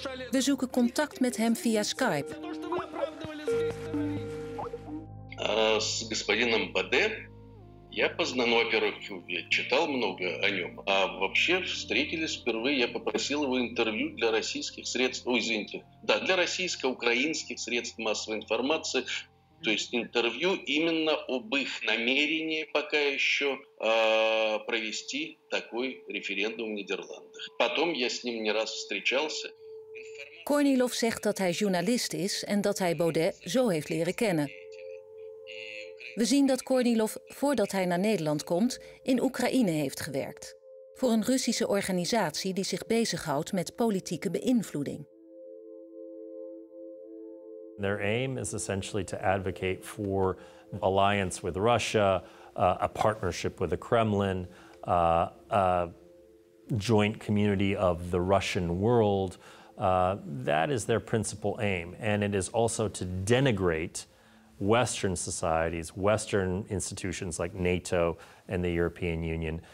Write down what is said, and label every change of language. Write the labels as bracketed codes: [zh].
[nl] We zoeken contact met hem via Skype. [ru] С господином Баде я познаком, во-первых, читал много о нем, а вообще встретились впервые, я попросил его интервью для российских средств, для российско-украинских средств массовой информации, то есть интервью именно об их намерении пока еще провести такой референдум в Нидерландах. Потом я с ним не раз встречался. [nl] Корнилов zegt dat hij journalist is en dat hij Baudet zo heeft leren kennen. We zien dat Kornilov, voordat hij naar Nederland komt, in Oekraïne heeft gewerkt. Voor een Russische organisatie die zich bezighoudt met politieke beïnvloeding. [en] Their aim is essentially to advocate for alliance with Russia, a partnership with the Kremlin, a joint community of the Russian world. That is their principal aim. And it is also to denigrate Western societies, Western institutions like NATO and the European Union.